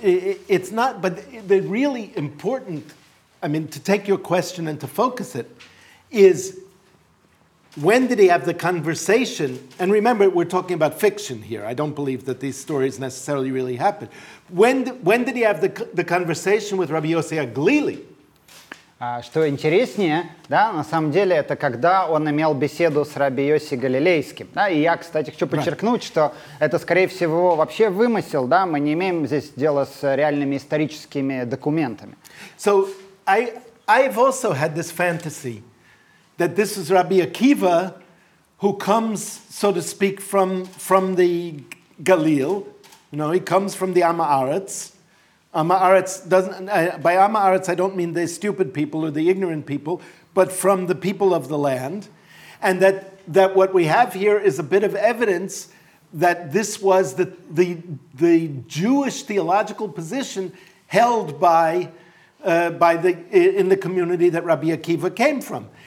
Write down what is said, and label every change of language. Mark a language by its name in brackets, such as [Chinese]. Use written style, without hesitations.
[English] It's not but the really important I mean to take your question and to focus it is when did he have the conversation? And remember, we're talking about fiction here. I don't believe that these stories necessarily really happened. When did he have the conversation with Rabbi Yossi Aglili? [Russian] Что интереснее, да, на самом деле, это когда он имел беседу с Рабби Йоси Галилейским. Да, и я, кстати, хочу подчеркнуть, [English] right. [Russian] что это, скорее всего, вообще вымысел. Да, мы не имеем здесь дела с реальными историческими документами. [English] So I've also had this fantasy that this is Rabbi Akiva, who comes, so to speak, from the Galil. You know, he comes from the Amaretz. Amaretz doesn't. By Amaretz, I don't mean the stupid people or the ignorant people, but from the people of the land, and that what we have here is a bit of evidence that this was the Jewish theological position held by the community that Rabbi Akiva came from.